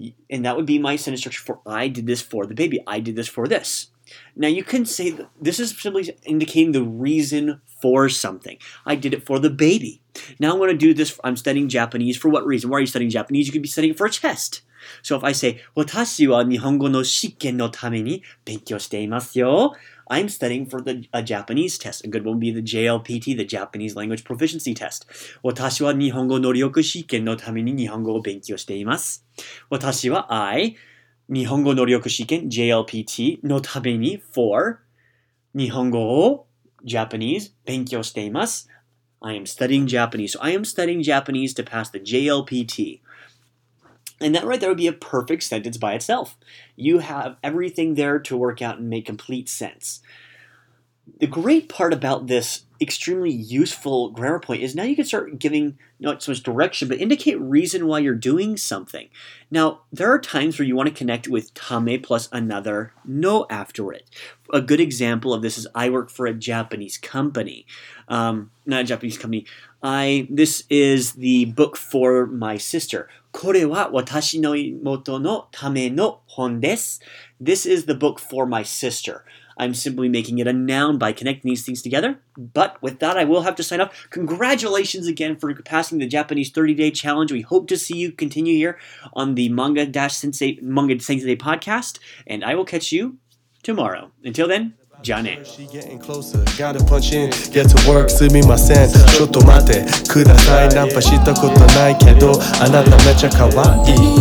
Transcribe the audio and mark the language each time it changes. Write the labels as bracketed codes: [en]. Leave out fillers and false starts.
[en] And that would be my sentence structure for I did this for the baby, I did this for this. Now, you can say, this is simply indicating the reason for something. I did it for the baby. Now I'm going to do this. I'm studying Japanese. For what reason? Why are you studying Japanese? You could be studying it for a test. So if I say, [ja] 私は日本語の試験のために勉強していますよ. [en] I'm studying for a Japanese test. A good one would be the JLPT, the Japanese Language Proficiency Test. [ja] 私は日本語能力試験のために日本語を勉強しています. 私は日本語能力試験 JLPT のために [en] for [ja] 日本語を [en] Japanese, [ja] 勉強しています。 [en] I am studying Japanese. So I am studying Japanese to pass the JLPT. And that right there would be a perfect sentence by itself. You have everything there to work out and make complete sense. The great part about this extremely useful grammar point is now you can start giving not so much direction, but indicate reason why you're doing something. Now, there are times where you want to connect with tame plus another no after it. A good example of this is I work for a Japanese company. This is the book for my sister. [ja] これは私の妹のための本です。 [en] This is the book for my sister. I'm simply making it a noun by connecting these things together. But with that, I will have to sign off. Congratulations again for passing the Japanese 30-day challenge. We hope to see you continue here on the Manga-Sensei podcast. And I will catch you tomorrow. Until then, Jane. She getting closer, gotta punch in, get to work, see me my scent. [ja] ちょっと待ってください。ナンパしたことないけど、あなためちゃ可愛い。